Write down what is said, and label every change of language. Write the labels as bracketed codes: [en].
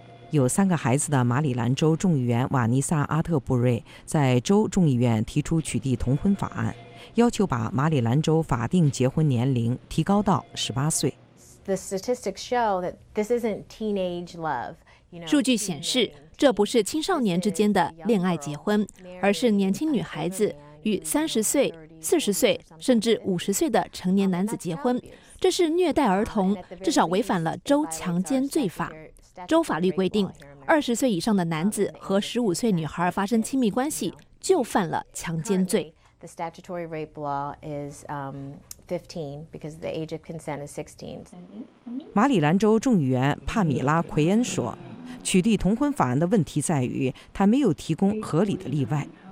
[zh] 有三个孩子的马里兰州众议员瓦尼萨·阿特布瑞在州众议院提出取缔同婚法案，要求把马里兰州法定结婚年龄提高到十八岁。 [en] The statistics show that this isn't teenage love. [zh] 数据显示，这不是青少年之间的恋爱结婚，而是年轻女孩子与三十岁、四十岁甚至五十岁的成年男子结婚，这是虐待儿童，至少违反了州强奸罪法。州法律规定，二十岁以上的男子和十五岁女孩发生亲密关系，就犯了强奸罪。 [en] The statutory rape law is 15, because the age of consent is 16. [zh] 马里兰州众议员帕米拉·奎恩说，取缔同婚法案的问题在于，他没有提供合理的例外。